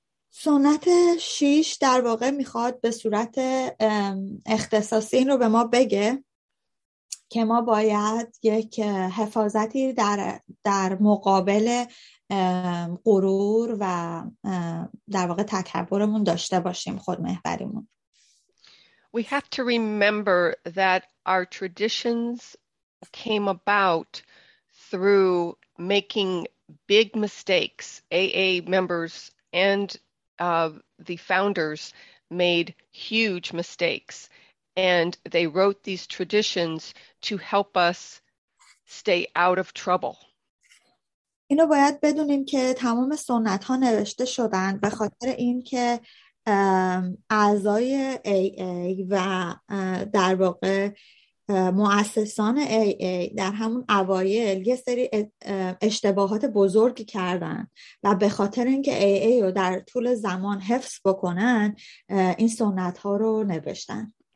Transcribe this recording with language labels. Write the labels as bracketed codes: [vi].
[fa] سنت 6 در واقع میخواد به صورت اختصاصی این رو به ما بگه که ما باید یک حفاظتی در مقابل غرور و در واقع تکبرمون داشته باشیم، خودمحوریمون. [en] We have to remember that our traditions came about through making big mistakes. AA members and the founders made huge mistakes, and they wrote these traditions to help us stay out of trouble. [fa] اینو باید بدونیم که تمام سنت ها نوشته شدن به خاطر این که اعضای AA و در واقع مؤسسان AA در همون اوایل یه سری اشتباهات بزرگی کردن و به خاطر اینکه AA رو در طول زمان حفظ بکنن این سنت ها رو نوشتن.